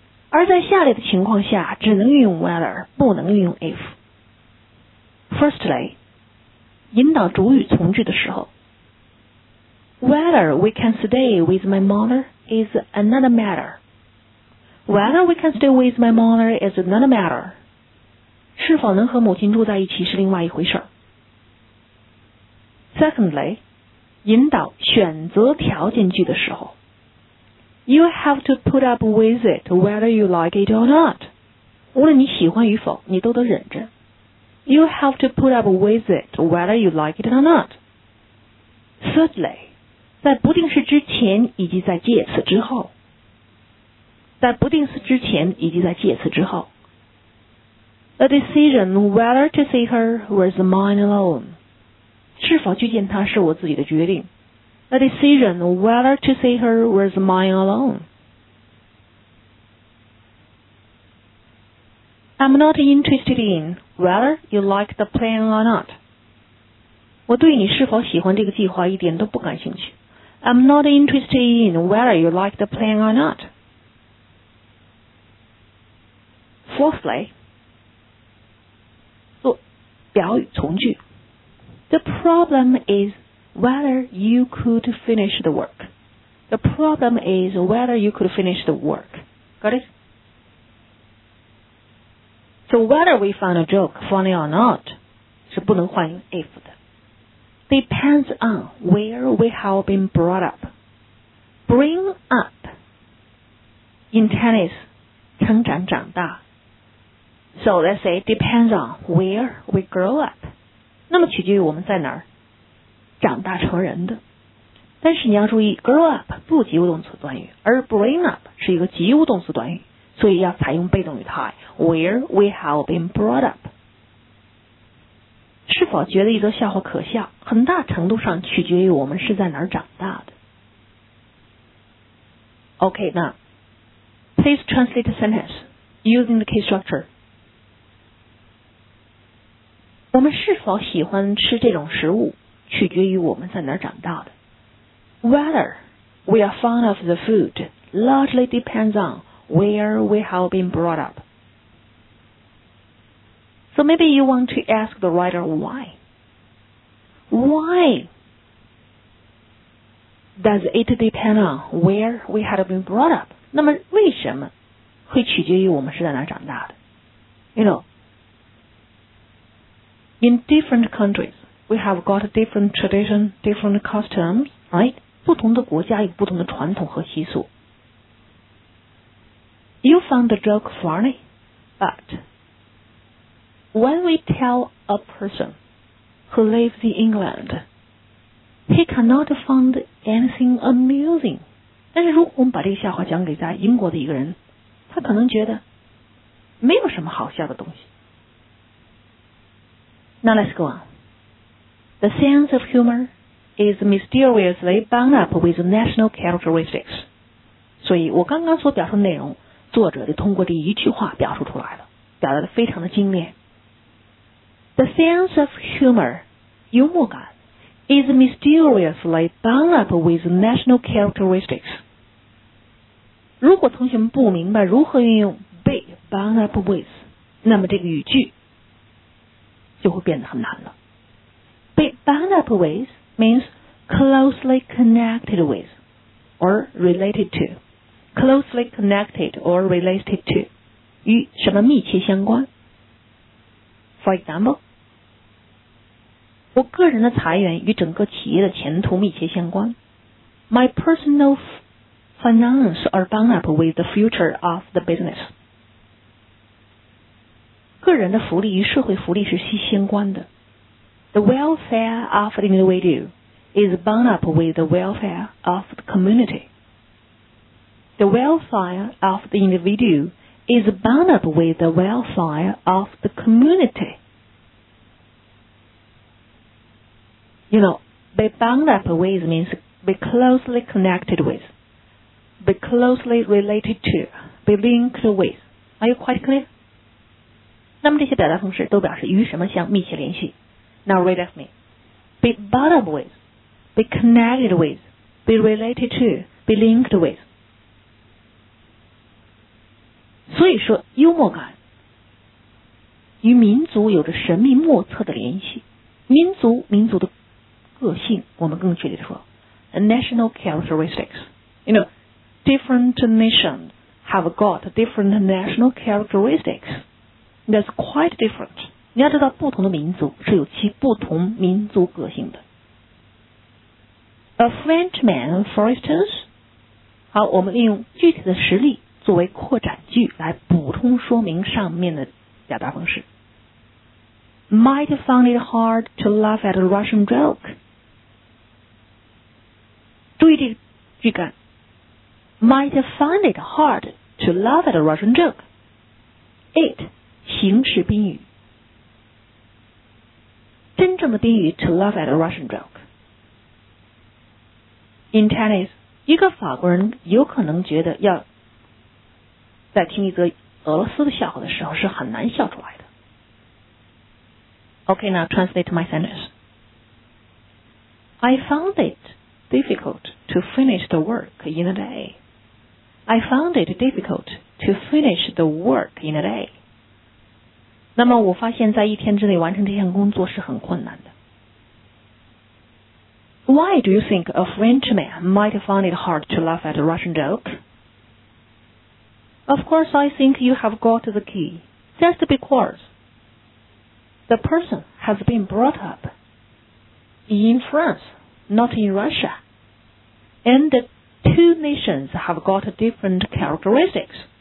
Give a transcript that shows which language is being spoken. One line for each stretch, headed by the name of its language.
Chinese: 而在下列的情况下只能运用 whether, 不能运用 if. Firstly, 引导主语从句的时候。
English: Whether we can stay with my mother is another matter. Whether we can stay with my mother is another matter.
Chinese: 是否能和母亲住在一起是另外一回事。 Secondly, 引导选择条件句的时候。
English: You have to put up with it whether you like it or not.
Chinese: 无论你喜欢与否，你都得忍着。
English: You have to put up with it whether you like it or not.
Chinese: Thirdly, 在不定式之前以及在介词之后。在不定式之前以及在介词之后。
English: The decision whether to see her was mine alone.
Chinese: 是否去见她是我自己的决定。
English: A decision whether to see her was mine alone. I'm not interested in whether you like the plan or not.
Chinese: 我对你是否喜欢这个计划一点都不感兴趣。
English: I'm not interested in whether you like the plan or not.
Chinese: Fourthly, 做表语从句。
English: The problem is,Whether you could finish the work. The problem is whether you could finish the work. Got it? So whether we found a joke funny or not
Chinese: 是不能换
English: if 的。 depends on where we have been brought up. Bring up in tennis,
Chinese: 成长长大。
English: So let's say depends on where we grow up.
Chinese: 那么取决于我们在哪儿长大成人的。但是你要注意 grow up 不及物动词短语，而 bring up 是一个及物动词短语，所以要采用被动语态
English: where we have been brought up。
Chinese: 是否觉得一则笑话可笑，很大程度上取决于我们是在哪儿长大的。
English: OK, now, please translate the sentence using the case structure.
Chinese: 我们是否喜欢吃这种食物，取决于我们在哪儿长大的。
English: Whether we are fond of the food largely depends on where we have been brought up. So maybe you want to ask the writer why. Why does it depend on where we had been brought up?
Chinese: 那么为什么会取决于我们是在哪长大的?
English: You know, in different countries, we have got different traditions, different customs, right?
Chinese: 不同的国家有不同的传统和习俗.
English: You found the joke funny, but... When we tell a person who lives in England, he cannot find anything amusing.
Chinese: 但是如果我们把这个笑话讲给在英国的一个人，他可能觉得没有什么好笑的东西。
English: Now let's go on. The sense of humor is mysteriously bound up with national characteristics.
Chinese: 所以我刚刚所表述的内容，作者就通过这一句话表述出来了，表达得非常的精炼。
English: The sense of humor,
Chinese: 幽默感
English: is mysteriously bound up with national characteristics.
Chinese: 如果同学们不明白如何运用
English: be bound up with,
Chinese: 那么这个语句就会变得很难了。
English: Be bound up with means closely connected with or related to. Closely connected or related to.
Chinese: 与什么密切相关?
English: For example,
Chinese: 我个人的裁员与整个企业的前途密切相关。
English: My personal finance are bound up with the future of the business.
Chinese: 个人的福利与社会福利是息息相关的。
English: The welfare of the individual is bound up with the welfare of the community. The welfare of the individual is bound up with the welfare of the community. You know, be bound up with means be closely connected with, be closely related to, be linked with. Are you quite clear?
Chinese: 那么这些表达方式都表示与什么相密切联系。
English: Now read with me. Be bound up with, be connected with, be related to, be linked with.
Chinese: 所以说幽默感与民族有着神秘莫测的联系。民族的个性，我们更确切地说
English: National characteristics. You know, different nations have got different national characteristics. That's quite different.
Chinese: 你要知道不同的民族是有其不同民族个性的。
English: A Frenchman, for instance.
Chinese: 好，我们利用具体的实例作为扩展句来补充说明上面的表达方式。
English: Might find it hard to laugh at a Russian joke.
Chinese: 注意这个句干
English: Might find it hard to laugh at a Russian joke. It
Chinese: 形式宾语真正的宾语
English: to laugh at a Russian joke. In tennis,
Chinese: 一个法国人有可能觉得要在听一则俄罗斯的笑话的时候是很难笑出来的。
English: OK, now translate my sentence. I found itDifficult to finish the work in a day. I found it difficult to finish the work in a day.
Chinese: 那么我发现在一天之内完成这项工作是很困难的。
English: Why do you think a Frenchman might find it hard to laugh at a Russian joke? Of course, I think you have got the key. Just because the person has been brought up in France, not in Russia. And the two nations have got different characteristics.